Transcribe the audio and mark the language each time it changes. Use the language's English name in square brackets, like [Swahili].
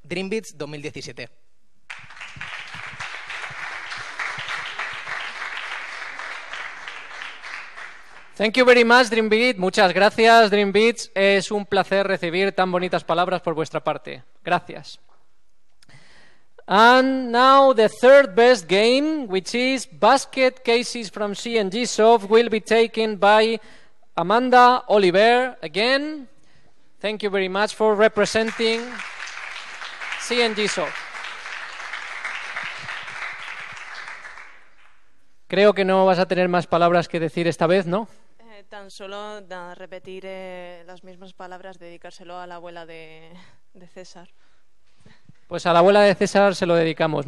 [English] Dreambeats 2017. Thank you very much, DreamBeat. [Spanish] Muchas gracias, DreamBeat. Es un placer recibir tan bonitas palabras por vuestra parte. Gracias. [English] And now the third best game, which is Basket Cases from CNG Soft, will be taken by Amanda Oliver again. Thank you very much for representing CNG Soft. [Spanish] Creo que no vas a tener más palabras que decir esta vez, ¿no? Tan solo repetir las mismas palabras, dedicárselo a la abuela de César. Pues a la abuela de César se lo dedicamos.